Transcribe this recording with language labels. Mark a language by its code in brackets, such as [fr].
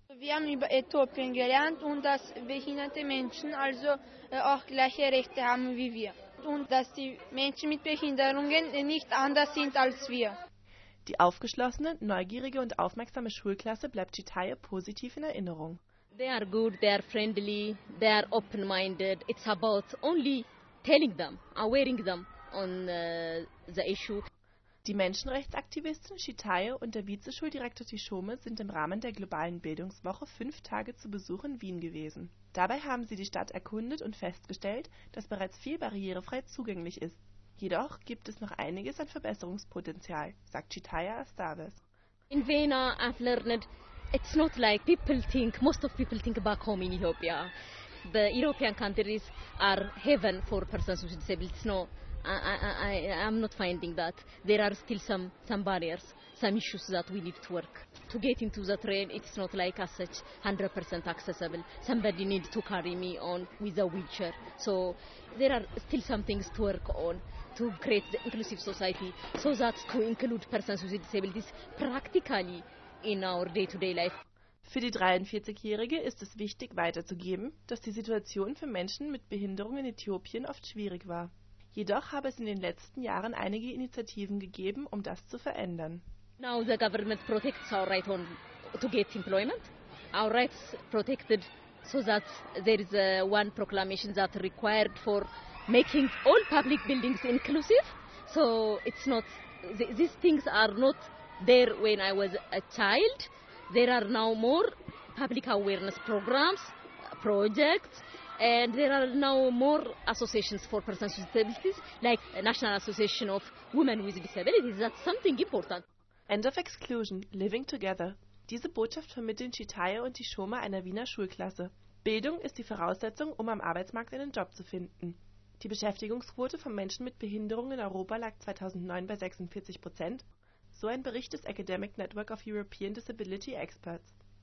[de] Wir haben über Äthiopien gelernt und dass behinderte Menschen also auch gleiche Rechte haben wie wir. Und dass die Menschen mit Behinderungen nicht anders sind als wir. Die aufgeschlossene, neugierige und aufmerksame Schulklasse bleibt Shitaya positiv in Erinnerung. [en] They are good, they are friendly, they are open-minded. It's about only telling them, awaring them on the issue. [de] Die Menschenrechtsaktivistin Shitaya und der Vizeschuldirektor Tishome sind im Rahmen der globalen Bildungswoche 5 Tage zu Besuch in Wien gewesen. Dabei haben sie die Stadt erkundet und festgestellt, dass bereits viel barrierefrei zugänglich ist. Jedoch gibt es noch einiges an Verbesserungspotenzial, sagt Shitaya Astaves. [en] In Vienna I've learned it's not like people think, most of people think back home in Ethiopia. The European countries are heaven for persons with disabilities, no. I'm not finding that. There are still some barriers, some issues that we need to work. To get into the train, it's not like as such 100% accessible. Somebody needs to carry me on with a wheelchair. So there are still some things to work on to create the inclusive society so that to include persons with disabilities practically in our day-to-day life. [de] Für die 43-Jährige ist es wichtig weiterzugeben, dass die Situation für Menschen mit Behinderung in Äthiopien oft schwierig war. Jedoch habe es in den letzten Jahren einige Initiativen gegeben, um das zu verändern. [en] Now the government protects our right on to get employment. Our rights protected so that there is one proclamation that required for making all public buildings inclusive. So it's not, these things are not there when I was a child. There are now more public awareness programs, projects. And there are now more associations for persons with disabilities, like the National Association of Women with Disabilities. That's something important. End of exclusion, living together. [de] Diese Botschaft vermitteln Shitaya und Tishome einer Wiener Schulklasse. Bildung ist die Voraussetzung, um am Arbeitsmarkt einen Job zu finden. Die Beschäftigungsquote von Menschen mit Behinderung in Europa lag 2009 bei 46%. So ein Bericht des Academic Network of European Disability Experts.